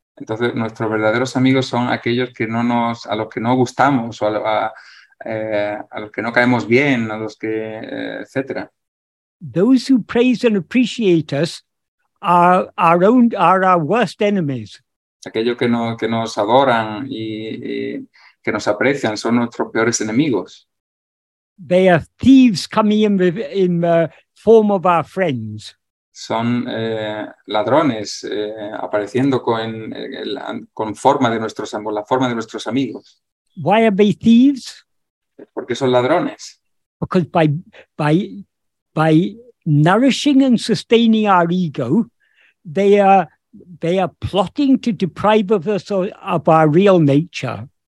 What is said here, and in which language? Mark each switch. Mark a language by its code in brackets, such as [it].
[es] Entonces nuestros verdaderos amigos son aquellos que no nos, a los que no gustamos, o a los que no caemos bien, a los que etc. [en] Those who praise and appreciate us are our worst enemies. [es] Aquellos que nos adoran y que nos aprecian son nuestros peores enemigos. [en] They are thieves coming in the form of our friends. [es] Son ladrones apareciendo con la forma de nuestros amigos. [en] Why are they thieves? [es] Porque son ladrones. [en] Because by nourishing and sustaining our ego, they are plotting to deprive of us of our real nature.